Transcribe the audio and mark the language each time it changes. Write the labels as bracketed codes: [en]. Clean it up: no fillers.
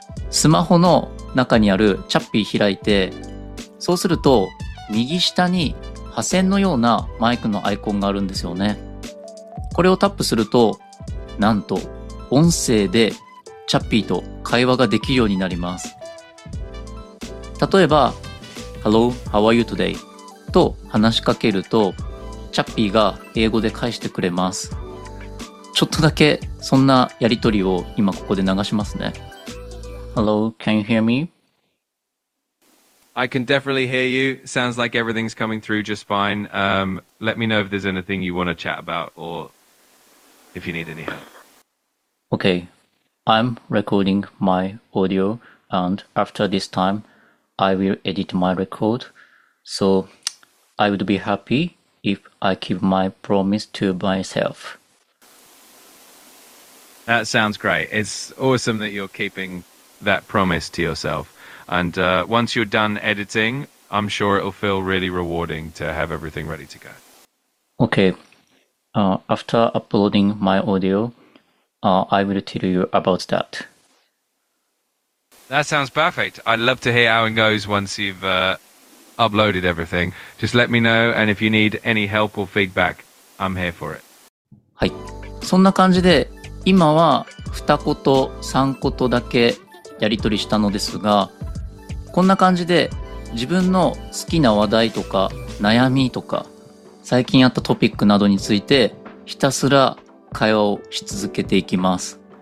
[ja] スマホの中にあるチャッピー開いて、そうすると右下に破線のようなマイクのアイコンがあるんですよね。これをタップすると、なんと音声でチャッピーと会話ができるようになります。 [en] 例えば Hello, how are you today? [ja] と話しかけると、チャッピーが英語で返してくれます。ちょっとだけそんなやりとりを今ここで流しますね。 [en] Hello, can you hear me? I can definitely hear you. Sounds like everything's coming through just fine. Let me know if there's anything you want to chat about or if you need any help. Okay, I'm recording my audio, and after this timeI will edit my record, so I would be happy if I keep my promise to myself. That sounds great. It's awesome that you're keeping that promise to yourself. And once you're done editing, I'm sure it'll feel really rewarding to have everything ready to go. Okay. After uploading my audio, I will tell you about that. That sounds perfect. I'd love to hear how it goes once you've uploaded everything. Just let me know, and if you need any help or feedback, I'm here for it. [ja] はい。そんな感じで、今は二言、三言だけやり取りしたのですが、こんな感じで自分の好きな話題とか悩みとか、最近あったトピックなどについてひたすら会話をし続けていきます。